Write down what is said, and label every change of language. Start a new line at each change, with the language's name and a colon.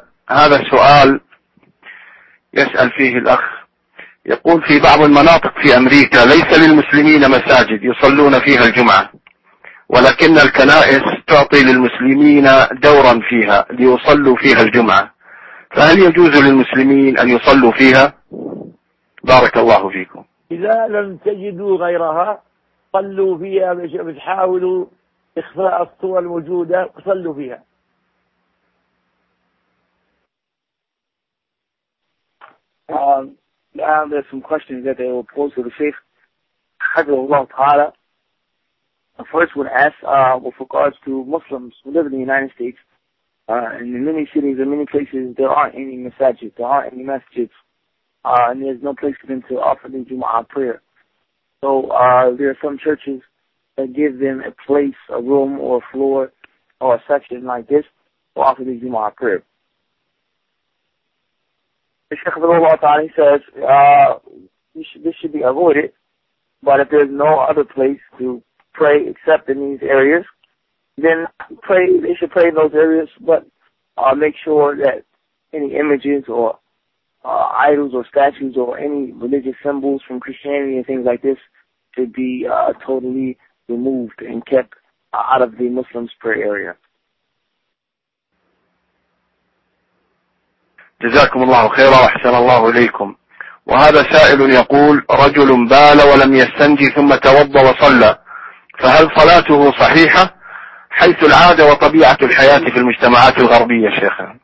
Arabic: هذا السؤال يسأل فيه الأخ، يقول في بعض المناطق في أمريكا ليس للمسلمين مساجد يصلون فيها الجمعة، ولكن الكنائس تعطي للمسلمين دورا فيها ليصلوا فيها الجمعة، فهل يجوز للمسلمين أن يصلوا فيها؟ بارك الله فيكم. إذا لم تجدوا غيرها صلوا فيها، بتحاولوا إخفاء الصور الموجودة صلوا فيها.
English: Now there's some questions that they will pose to the Shaykh Hafizullah Ta'ala. The first one asks, with regards to Muslims who live in the United States, and in many cities and many places, there aren't any masajid, there aren't any masjids, and there's no place for them to offer the Jumu'ah prayer. So there are some churches that give them a place, a room, or a floor, or a section like this to offer the Jumu'ah prayer. Shaykh Abdullah Ta'ala, he says, this should be avoided, but if there's no other place to pray except in these areas, then pray. They should pray in those areas, but make sure that any images or idols or statues or any religious symbols from Christianity and things like this should be totally removed and kept out of the Muslims' prayer area.
Arabic: جزاكم الله خيرا وحسن الله إليكم. وهذا سائل يقول، رجل بال ولم يستنجي ثم توضى وصلى، فهل صلاته صحيحة حيث العادة وطبيعة الحياة في المجتمعات الغربية؟ شيخ،